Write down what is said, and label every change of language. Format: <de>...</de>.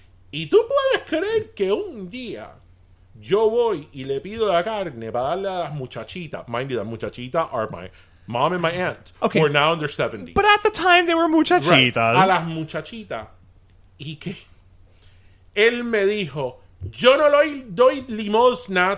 <es>Y tú puedes creer que un día yo voy y le pido la carne para darle a las muchachitas.</es> <en>Mind you,</en> <es>las muchachitas</es> <en>are my mom and my aunt. Okay. We're now in their 70s. But at the time, they were muchachitas. Right.</en> <es>A las muchachitas. Y que él me dijo, yo no le doy limosna.</es>